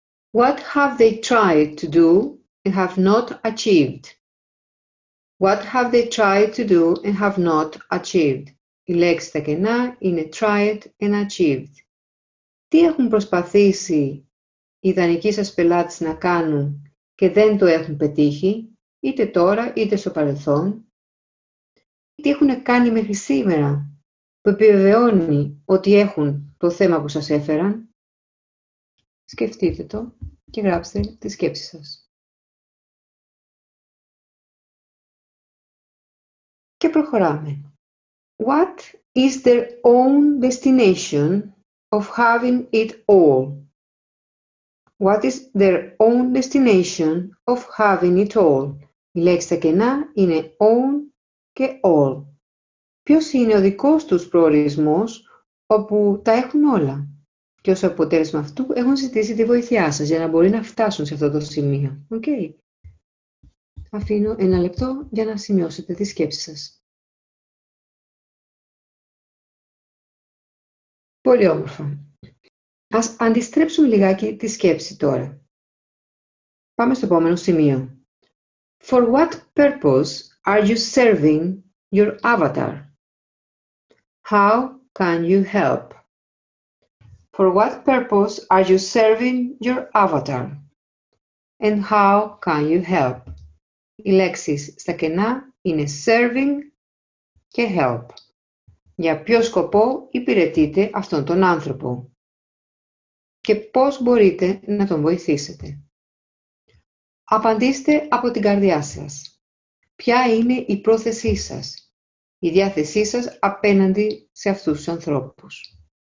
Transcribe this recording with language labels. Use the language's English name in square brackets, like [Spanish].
[English] What have they tried to do and have not achieved? What have they tried to do and have not achieved? [Greek] Η λέξη τα κενά είναι [English] tried and achieved. [Greek] Τι έχουν προσπαθήσει οι ιδανικοί σας πελάτες να κάνουν και δεν το έχουν πετύχει, είτε τώρα είτε στο παρελθόν? Τι έχουν κάνει μέχρι σήμερα που επιβεβαιώνει ότι έχουν το θέμα που σας έφεραν? Σκεφτείτε το και γράψτε τη σκέψη σας. Και προχωράμε. [English] What is their own destination of having it all? What is their own destination of having it all? [Greek] Η λέξη στα κενά είναι own και all. Ποιος είναι ο δικός τους προορισμός όπου τα έχουν όλα? Και ως αποτέλεσμα αυτού έχουν ζητήσει τη βοήθειά σας για να μπορεί να φτάσουν σε αυτό το σημείο. Okay. Αφήνω ένα λεπτό για να σημειώσετε τη σκέψη σας. Πολύ όμορφα. Ας αντιστρέψουμε λιγάκι τη σκέψη τώρα. Πάμε στο επόμενο σημείο. [English] For what purpose are you serving your avatar? How can you help? For what purpose are you serving your avatar? And how can you help? [Greek] Οι λέξεις στα κενά είναι serving και help. Για ποιο σκοπό υπηρετείτε αυτόν τον άνθρωπο και πώς μπορείτε να τον βοηθήσετε? Απαντήστε από την καρδιά σας. Ποια είναι η πρόθεσή σας, η διάθεσή σας απέναντι σε αυτούς τους ανθρώπους?